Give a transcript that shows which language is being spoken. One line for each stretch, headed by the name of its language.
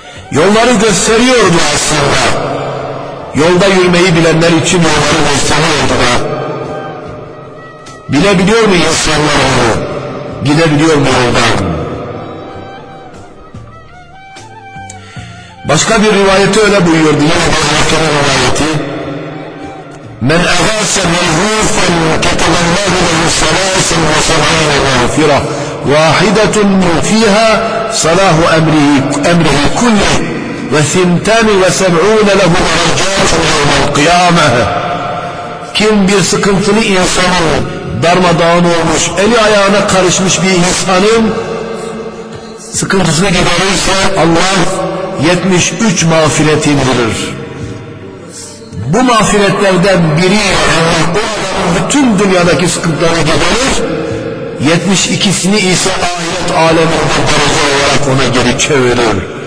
Turkish: Yolları gösteriyordu aslında. Yolda yürümeyi bilenler için yolları gösteriyordu da. Bilebiliyor mu insanlar onu? Gidebiliyor mu yoldan? Başka bir rivayeti öyle buyuruyordu. Yine bir rivayeti.
Arabic: من أغاث ملهوفا كتب الله له سلاسل وسبعين غافرة، واحدة فيها صلاح أمره كله، وثنتان وسبعون له درجات يوم القيامة.
Turkish: Kim bir sıkıntılı insanın darmadağın olmuş, eli ayağına karışmış bir insanın sıkıntısını giderirse Allah 73 mağfiret indirir. Bu mağfiretlerden biri bütün dünyadaki sıkıntıları giderir, 72'sini ise ahiret aleminde derece olarak ona geri çevirir.